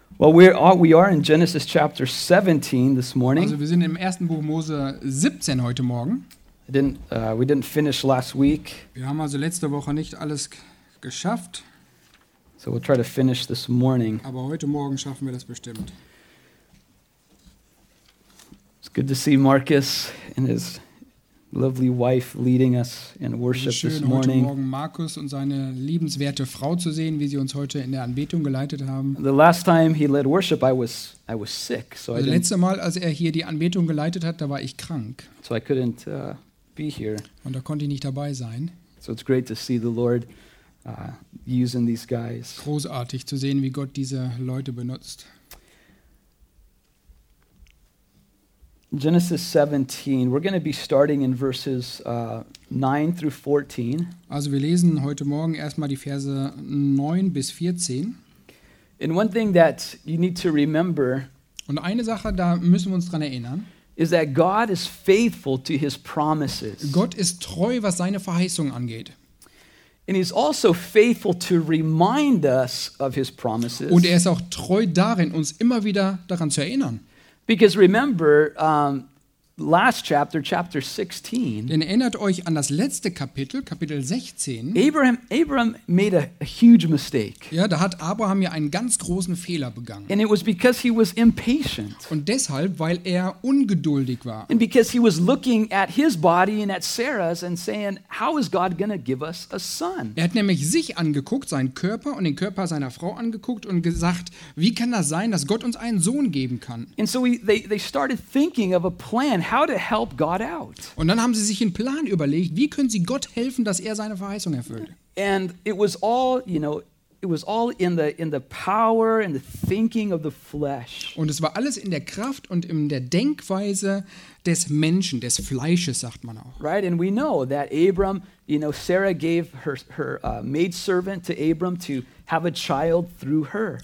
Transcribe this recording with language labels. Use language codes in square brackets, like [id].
[en] Well, we are in Genesis chapter 17 this morning. [de] Also, wir sind im ersten Buch Mose 17 heute Morgen. [en] We didn't finish last week. [de] Wir haben also letzte Woche nicht alles geschafft. [en] So we'll try to finish this morning. [de] Aber heute Morgen schaffen wir das bestimmt. [en] It's good to see Marcus and his lovely wife leading us in worship this morning. [de] Es ist schön, heute Morgen Markus und seine liebenswerte Frau zu sehen, wie sie uns heute in der Anbetung geleitet haben. [en] The last time he led worship, I was sick. [de] So das letzte Mal, als er hier die Anbetung geleitet hat, da war ich krank. [en] So I couldn't be here. [de] Und da konnte ich nicht dabei sein. [en] So it's great to see the Lord using these guys. [de] Großartig zu sehen, wie Gott diese Leute benutzt. [en] Genesis 17, we're going to be starting in verses 9 through 14. [de] Also wir lesen heute Morgen erstmal die Verse 9 bis 14. [en] And one thing that you need to remember, [de] und eine Sache, da müssen wir uns dran erinnern, [en] is that God is faithful to his promises. [de] Gott ist treu, was seine Verheißung angeht. [en] And he's also faithful to remind us of his promises. [de] Und er ist auch treu darin, uns immer wieder daran zu erinnern. [en] Because remember, last chapter, chapter 16. [de] Denn erinnert euch an das letzte Kapitel, Kapitel 16. [en] Abraham made a huge mistake. [de] Ja, da hat Abraham ja einen ganz großen Fehler begangen. [en] And it was because he was impatient. [de] Und deshalb, weil er ungeduldig war. [en] And because he was looking at his body and at Sarah's and saying, how is God going to give us a son? [de] Er hat nämlich sich angeguckt, seinen Körper und den Körper seiner Frau angeguckt und gesagt, wie kann das sein, dass Gott uns einen Sohn geben kann? [en] And so they started thinking of a plan. How to help God out. [de] Und dann haben sie sich einen Plan überlegt, wie können sie Gott helfen, dass er seine Verheißung erfüllt. [en] And it was all, you know, it was all in the power and the thinking of the flesh. [de] Und es war alles in der Kraft und in der Denkweise des Menschen, des Fleisches, sagt man auch. [en] Right, and we know that Abram, you know, Sarah gave her maidservant to Abram to have a child through her.